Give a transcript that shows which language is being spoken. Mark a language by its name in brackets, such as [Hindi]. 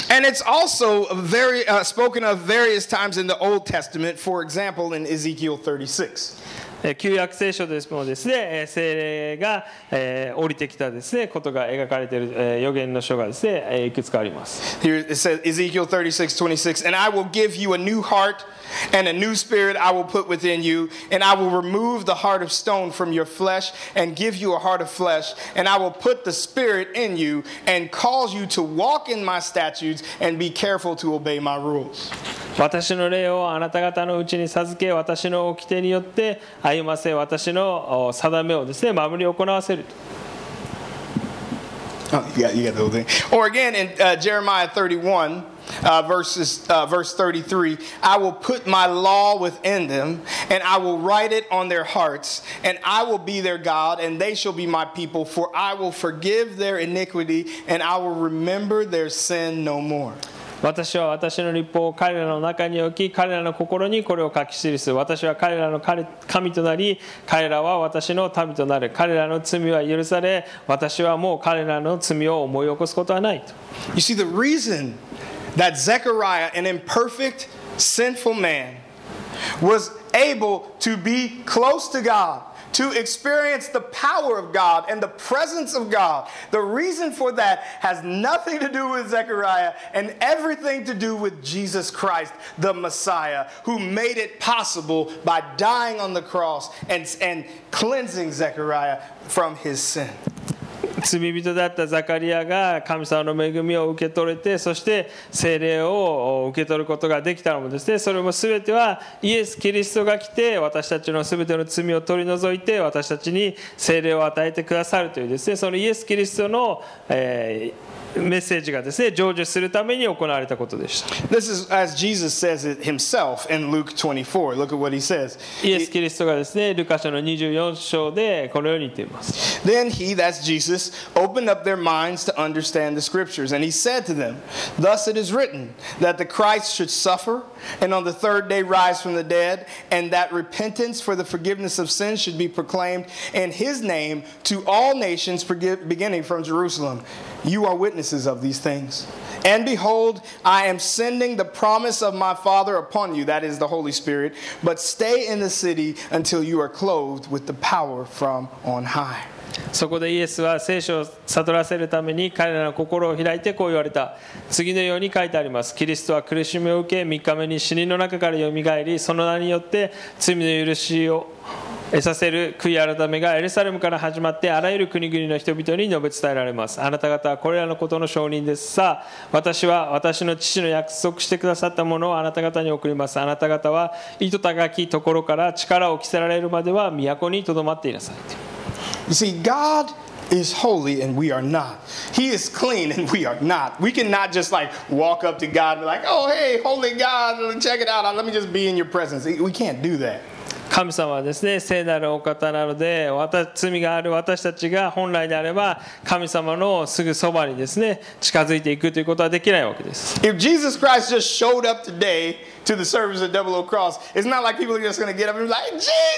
[English] And it's also very, spoken of various times in the Old Testament, for example, in Ezekiel 36. [Japanese] 旧約聖書ですもですね、聖霊が降りてきたですね、ことが描かれている予言の書がですね、いくつかあります。 [English] Here it says, Ezekiel 36:26, and I will give you a new heart, and a new spirit I will put within you, and I will remove the heart of stone from your flesh, and give you a heart of flesh, and I will put the spirit in you, and cause you to walk in my statutes, and be careful to obey my rules. [Japanese] 私の霊をあなた方のうちに授け、私の掟によって歩ませ、私の定めをですね、守り行わせる。 [English] You got the whole thing. Or again in Jeremiah 31, verse 33, I will put my law within them, and I will write it on their hearts, and I will be their God, and they shall be my people, for I will forgive their iniquity, and I will remember their sin no more. [Japanese] 私は私の律法を彼らの中に置き、彼らの心にこれを書き記す。私は彼らの神となり、彼らは私の民となる。彼らの罪は許され、私はもう彼らの罪を思い起こすことはないと。 [English] You see, the reason that Zechariah, an imperfect, sinful man, was able to be close to God. To experience the power of God and the presence of God. The reason for that has nothing to do with Zechariah and everything to do with Jesus Christ, the Messiah, who made it possible by dying on the cross and cleansing Zechariah from his sin. [Japanese] 罪人だったザカリアが神様の恵みを受け取れて、そして聖霊を受け取ることができたのもですね、それも全てはイエス・キリストが来て私たちの全ての罪を取り除いて私たちに聖霊を与えてくださるというですね、そのイエス・キリストの、メッセージがですね、成就するために行われたことでした。 [English] This is as Jesus says it himself in Luke 24. Look at what he says. [Japanese] イエス・キリストがですね、ルカ書の24章でこのように言っています。 [English] Then he, that's Jesus, Jesus opened up their minds to understand the scriptures. And he said to them, thus it is written that the Christ should suffer and on the third day rise from the dead, and that repentance for the forgiveness of sins should be proclaimed in his name to all nations beginning from Jerusalem. You are witnesses of these things. And behold, I am sending the promise of my Father upon you, that is the Holy Spirit, but stay in the city until you are clothed with the power from on high. [Japanese] そこでイエスは聖書を悟らせるために彼らの心を開いてこう言われた。次のように書いてあります。キリストは苦しみを受け、3日目に死人の中からよみがえり、その名によって罪の許しを得させる悔い改めがエルサレムから始まってあらゆる国々の人々に述べ伝えられます。あなた方はこれらのことの証人です。さあ、私は私の父の約束してくださったものをあなた方に送ります。あなた方は糸高きところから力を着せられるまでは都にとどまっていなさい。 [English] You see, God is holy and we are not. He is clean and we are not. We cannot just like walk up to God and be like, oh, hey, holy God, check it out. Let me just be in your presence. We can't do that. [Japanese] 神様はですね、聖なるお方なので、罪がある私たちが本来であれば、神様のすぐそばにですね、近づいていくということはできないわけです。 [English] If Jesus Christ just showed up today to the service of Double O Cross, it's not like people are just going to get up and be like, Jesus!